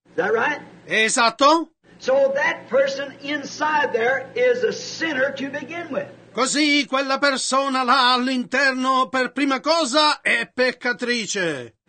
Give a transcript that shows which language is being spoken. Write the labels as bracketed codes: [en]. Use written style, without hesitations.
[en] Is that right? [it] È esatto? [en] So that person inside there is a sinner to begin with. [it] Così quella persona là all'interno per prima cosa è peccatrice.